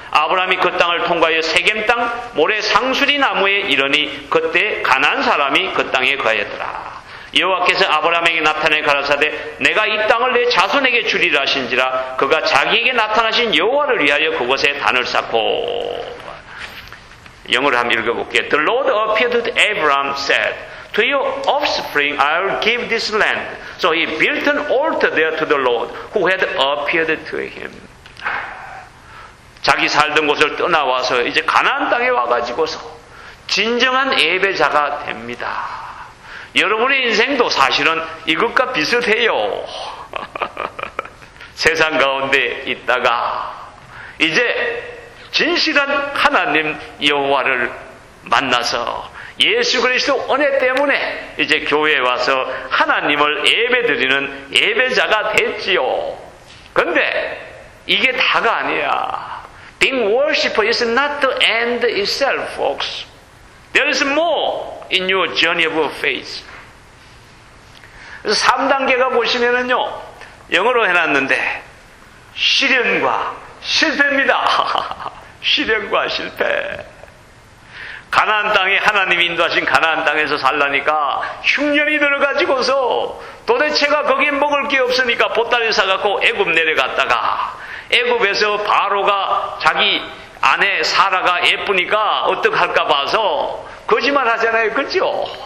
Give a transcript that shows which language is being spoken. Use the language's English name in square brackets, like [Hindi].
[Korean] 아브라함이 그 땅을 통과하여 세겜 땅 모래 상수리 나무에 이르니 그때 가나안 사람이 그 땅에 거하였더라. 여호와께서 아브라함에게 나타내 가라사대 내가 이 땅을 내 자손에게 주리라 하신지라 그가 자기에게 나타나신 여호와를 위하여 그곳에 단을 쌓고 영어로 한번 읽어볼게요. [English] The Lord appeared to Abraham said To your offspring I will give this land. So he built an altar there to the Lord who had appeared to him. [Korean] 자기 살던 곳을 떠나와서 이제 가나안 땅에 와가지고서 진정한 예배자가 됩니다. 여러분의 인생도 사실은 이것과 비슷해요. 세상 가운데 있다가 이제 진실한 하나님 여호와를 만나서 예수 그리스도 은혜 때문에 이제 교회에 와서 하나님을 예배드리는 예배자가 됐지요. 근데 이게 다가 아니야. [English] Being worshipper is not the end itself, folks. There is more in your journey of faith. [Korean] 3단계가 보시면은요, 영어로 해놨는데 시련과 실패입니다. 시련과 실패. 가나안 땅에 하나님이 인도하신 가나안 땅에서 살라니까 흉년이 들어가지고서 도대체가 거기에 먹을 게 없으니까 보따리 사갖고 애굽 내려갔다가 애굽에서 바로가 자기 아내 사라가 예쁘니까 어떡할까 봐서 거짓말 하잖아요. 그렇죠?